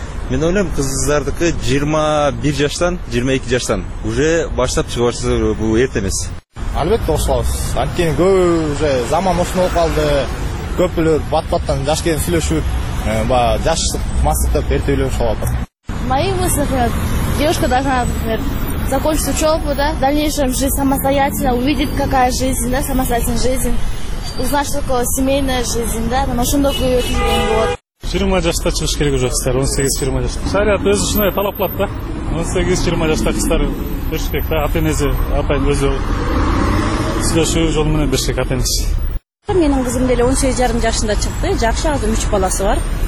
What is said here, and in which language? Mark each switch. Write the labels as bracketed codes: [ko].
[ky] Мен ойлойм, кыздардыкы 21 жаштан, 22 жаштан уже баштап чыгарса бул эрте эмес. Албетте кошулабыз. Анткени көп уже заман ошону болуп калды. Көп эле бат-баттан жаш келип сүйлөшүп, баягы жаштык масыктап эрте үйлөнүшүп алып атат. [ru] Мои мысли, как девушка должна, например, закончить учебу, да, в дальнейшем жить самостоятельно, увидеть, какая жизнь, да, самостоятельная жизнь, узнать, что такое семейная жизнь, да, там [ky] ошондой күйөөгө болот. 20 жашта чыгыш керек уже кыздар, 18-20 жашта. Шарият өзү ушундай талап кылат да. 18-20 жашта кыздар бериш керек да, ата энеси, апайын өзү сүйлөшүү жолу менен бериш керек ата энеси. Менин кызым деле 18 жарым жашында чыкты. Жакшы азыр 3 баласы бар.